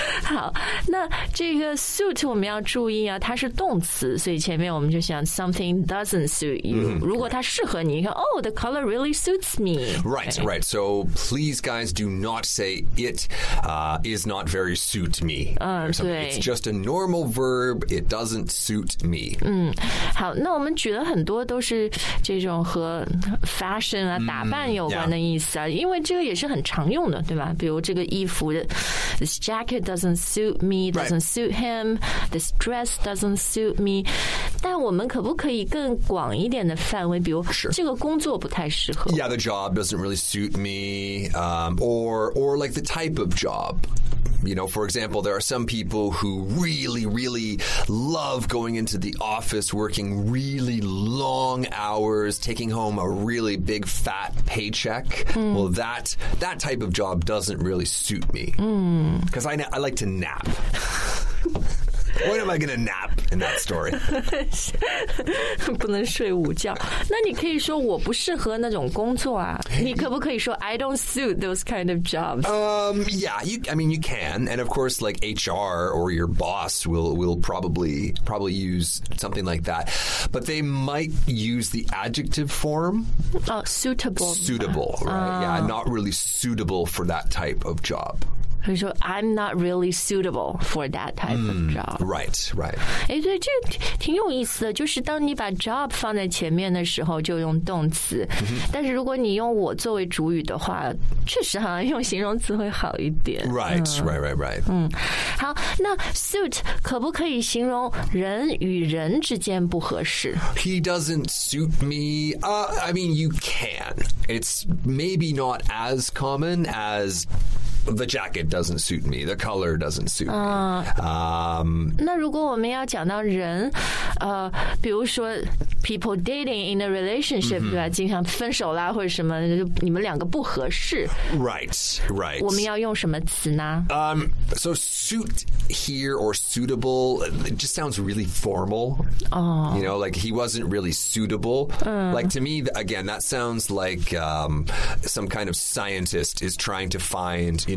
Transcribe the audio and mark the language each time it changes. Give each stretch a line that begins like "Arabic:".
Chinese: 好，那这个 suit 我们要注意啊，它是动词，所以前面我们就想
English: something doesn't suit you.、
Chinese: 如果它适合你，你看 ，
English: Oh, the color really suits me. Right,、okay. right. So please, guys, do not say it、is not very suit me.
Chinese: 对
English: ，it's just a normal verb. It doesn't suit me.
Chinese: 好，那我们举了很多都是这种和 fashion 啊、打扮有关的意思啊， 因为这个也是很常用的，对吧？比如这个衣服的
English: ，this jacket doesn't suit me, doesn't suit him. This dress doesn't suit me.
Chinese: 但我们可不可以更广一点的范围？比如这个工作不太适合。
English: Yeah, the job doesn't really suit me. Or like the type of job. You know, for example, there are some people who really, really love going into the office, working really long hours, taking home a really big fat paycheck.、Well, that type of job doesn't really suit me. Because、I like to nap. When am I going to nap in that story?
Chinese: 不能睡午觉。那你可以说我不适合那种工作啊。你可不可以说
English: I don't suit those kind of jobs? You can. And of course, like HR or your boss will probably use something like that. But they might use the adjective form. Suitable. Suitable, right?、not really suitable for that type of job.
Chinese: 所以说
English: I'm not really suitable for that type of job. Right, right.
Chinese: 哎，对，这挺有意思的，就是当你把 job 放在前面的时候，就用动词。但是如果你用我作为主语的话，确实好像用形容词会好一点。
English: Right, right, right, right.
Chinese: 好，那 suit 可不可以形容人与人之间不合适？
English: He doesn't suit me. You can. It's maybe not as common as... The jacket doesn't suit me. The color doesn't suit me.
Chinese: 那如果我们要讲到人，比如说
English: people dating in a relationship，、
Chinese: 对吧？经常分手啦，或者什么，就你们两个不合适。
English: Right, right.
Chinese: 我们要用什么词呢？
English: So suit here or suitable it just sounds really formal. You know, like he wasn't really suitable.、Like to me, again, that sounds like some kind of scientist is trying to find. You